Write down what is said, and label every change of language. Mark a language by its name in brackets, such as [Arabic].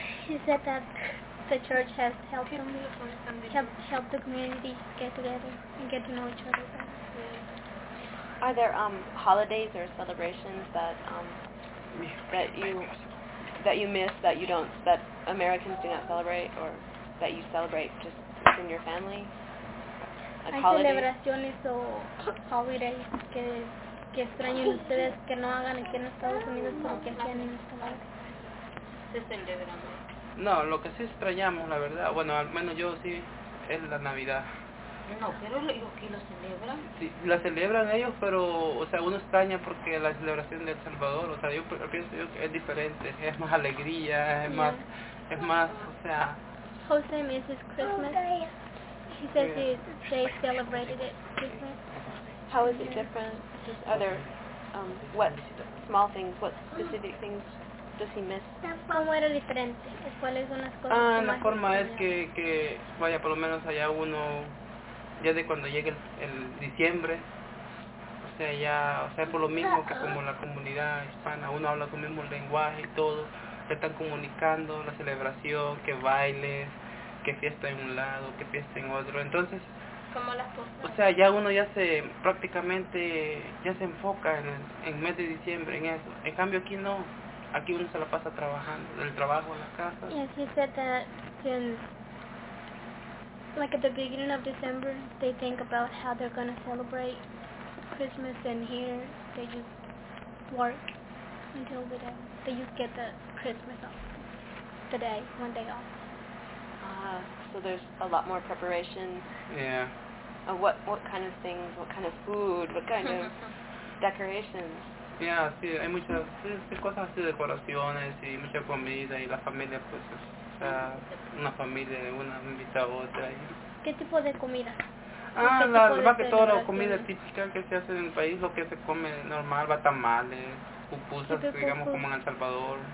[English] He said that the church has helped the community get together and get to know each other. Yeah. Are there holidays or celebrations that you miss, that Americans do not celebrate, or that you celebrate just within your family? [Spanish] Celebraciones o holidays que extrañan ustedes que no hagan aquí en Estados Unidos como que hacían en Estados Unidos. No, lo que sí extrañamos, la verdad, bueno, al menos yo sí, es la Navidad. No, pero lo que lo celebran. Sí, la celebran ellos, pero, o sea, uno extraña porque la celebración de El Salvador, o sea, yo pienso yo que es diferente, es más alegría, es más, o sea. [English] Jose misses Christmas. He says they celebrated it different. How is it different? Just other, what small things, what specific things does he miss? [Spanish] ¿Cómo era diferente? ¿Cuáles son las cosas? Ah, la forma es que vaya por lo menos allá uno. Ya de cuando llegue el diciembre, o sea, ya, o sea, por lo mismo que como la comunidad hispana, uno habla su mismo lenguaje y todo, se están comunicando, la celebración, que bailes, que fiesta en un lado, que fiesta en otro, entonces, como las cosas. O sea, ya uno ya se, prácticamente, ya se enfoca en el mes de diciembre, en eso, en cambio aquí no, aquí uno se la pasa trabajando, del trabajo a la casa. Y así se tiene. [English] Like at the beginning of December, they think about how they're going to celebrate Christmas, and here they just work until the day. They just get the Christmas off, the day, one day off. So there's a lot more preparation. Yeah. What kind of things, what kind of food, what kind of decorations? [Spanish] Yeah, sí, hay muchas cosas así, decoraciones y mucha comida y la familia, pues. Una familia, una invita a otra. ¿Qué tipo de comida? Más que todo, comida típica que se hace en el país, lo que se come normal, va tamales, pupusas, digamos, como en El Salvador.